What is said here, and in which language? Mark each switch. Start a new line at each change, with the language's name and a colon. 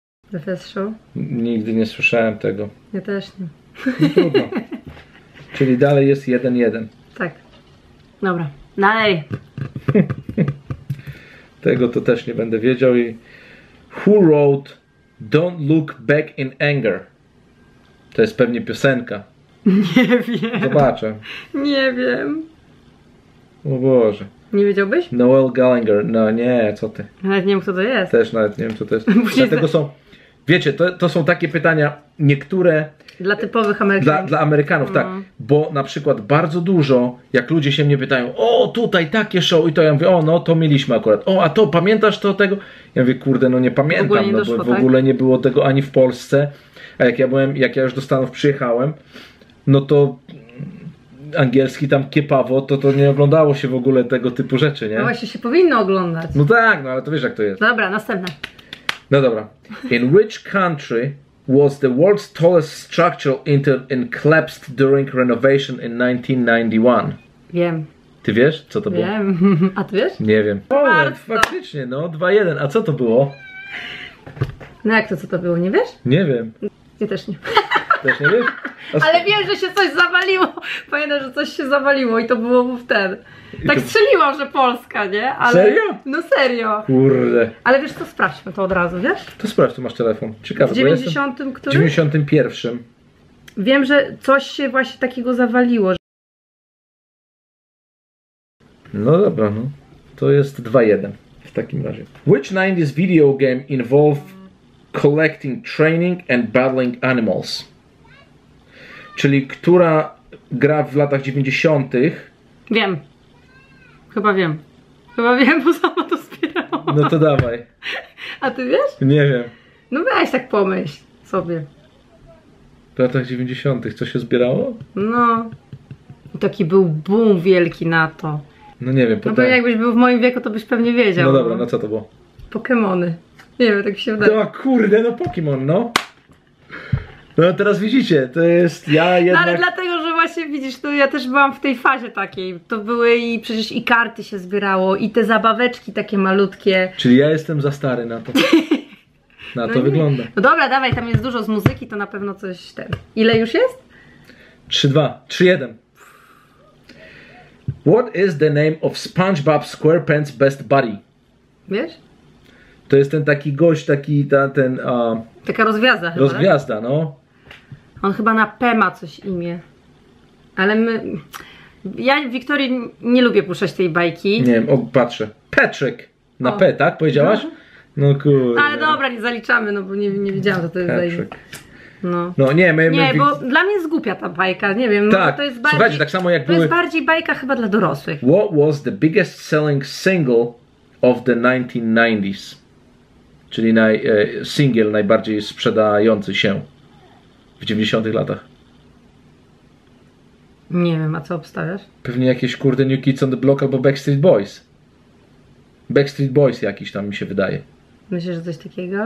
English: The Fest Show?
Polish: Nigdy nie słyszałem tego. Ja też nie. Trudno. Czyli dalej jest 1-1. Tak. Dobra, dalej. Tego to też nie będę wiedział i...
English: Who wrote Don't Look Back in Anger?
Polish: To jest pewnie piosenka. Nie wiem. Zobaczę. Nie wiem. O Boże. Nie wiedziałbyś? Noel Gallagher. No nie, co ty. Nawet nie wiem, kto to jest. Też nawet nie wiem, co to jest. Dlatego są... Wiecie, to są takie pytania, niektóre... Dla typowych Amerykanów. Dla Amerykanów, tak. Bo na przykład bardzo dużo, jak ludzie się mnie pytają, o tutaj takie show i to, ja mówię, o no to mieliśmy akurat. O, a to pamiętasz to tego? Ja mówię, kurde, no nie pamiętam, nie no doszło, bo w tak? ogóle nie było tego ani w Polsce. A jak ja byłem, jak ja już do Stanów przyjechałem, no to angielski tam kiepawo, to nie oglądało się w ogóle tego typu rzeczy, nie? No właśnie, się powinno oglądać. No tak, no ale to wiesz jak to jest. Dobra, następne. No dobra.
English: In which country was the world's tallest structure until it collapsed during renovation in 1991.
Polish: Wiem. Ty wiesz, co to wiem. Było? Wiem. A ty wiesz? Nie wiem. Poland, faktycznie, no, 2-1. A co to było? No jak to, co to było, nie wiesz? Nie wiem. Ja też nie. Też nie wiesz? Ale wiem, że się coś zawaliło. Pamiętam, że coś się zawaliło i to było wtedy. Tak to... strzeliłam, że Polska, nie? Ale... Serio? No serio. Kurde. Ale wiesz co, sprawdźmy to od razu, wiesz? To sprawdź, tu masz telefon. Ciekawe, w 90... W 91. Wiem, że coś się właśnie takiego zawaliło. Że... No dobra, no. To jest 2-1 w takim razie.
English: Which 90s video game involved collecting, training and battling animals?
Polish: Czyli która gra w latach 90. Wiem. Chyba wiem. Chyba wiem, bo sama to wspierała. No to dawaj. A ty wiesz? Nie wiem. No weź tak pomyśl sobie. W latach 90. co się zbierało? No. Taki był boom wielki na to. No nie wiem, no pewnie jakbyś był w moim wieku, to byś pewnie wiedział. No dobra, no co to było? Pokemony. Nie wiem, tak się wydaje. No kurde, no Pokemon, no. No teraz widzicie, to jest ja jednak... No ale dlatego, że właśnie widzisz, to ja też byłam w tej fazie takiej. To były i przecież i karty się zbierało, i te zabaweczki takie malutkie. Czyli ja jestem za stary na to. Na no to nie. Wygląda. No dobra, dawaj, tam jest dużo z muzyki, to na pewno coś ten... Ile już jest? 3-2, 3-1.
English: What is the name of SpongeBob SquarePants best buddy?
Polish: Wiesz? To jest ten taki gość, taki ten... Taka rozgwiazda chyba. Rozgwiazda, no. On chyba na P ma coś imię. Ale my... Ja, Wiktorii, nie lubię puszczać tej bajki. Nie wiem, patrzę. Patrick! Na o. P, tak? Powiedziałaś? No kurde. Ale dobra, nie zaliczamy, no bo nie widziałam, co to jest Patrick. No. No nie, my... Nie, bo dla mnie jest głupia ta bajka, nie wiem. Tak, no, to jest bardziej, słuchajcie, tak samo jak to były... To jest bardziej bajka chyba dla dorosłych.
English: What was the biggest selling single of the 1990s?
Polish: Czyli single najbardziej sprzedający się w 90-tych latach. Nie wiem, a co obstawiasz? Pewnie jakieś kurde New Kids on the Block albo Backstreet Boys. Backstreet Boys jakiś tam mi się wydaje. Myślisz, że coś takiego?